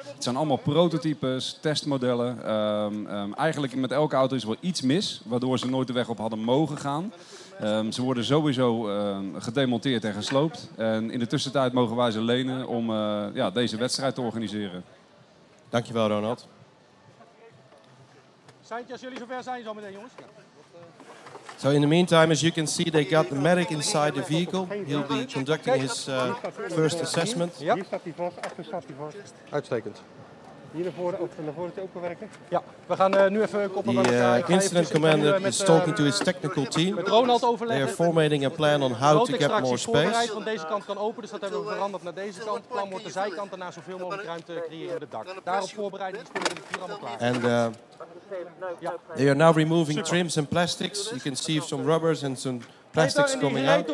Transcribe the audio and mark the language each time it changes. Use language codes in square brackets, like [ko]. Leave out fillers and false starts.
[nl] Het zijn allemaal prototypes, testmodellen. Eigenlijk met elke auto is wel iets mis, waardoor ze nooit de weg op hadden mogen gaan. Ze worden sowieso gedemonteerd en gesloopt. En in de tussentijd mogen wij ze lenen om deze wedstrijd te organiseren. Dankjewel, Ronald. Seintje, als jullie zover zijn, zo meteen, jongens. [en] So in the meantime, as you can see, they got the medic inside the vehicle. He'll be conducting his first assessment. [nl] Hier staat hij vast, achter staat hij vast. Uitstekend. Hier naar voren, ook van de voren te open werken. Ja, we gaan nu even koppelen. [en] The incident commander is talking to his technical team. [nl] Met Ronald overleggen. [en] They are formating a plan on how to get more space. [nl] Van deze kant kan open, dus dat hebben we veranderd naar deze kant. Het plan wordt de zijkant daarna zoveel mogelijk ruimte creëren in het dak. Daarop voorbereiden is het hier allemaal klaar. [en] And, they are now removing trims and plastics. You can see some rubbers and some plastics coming out.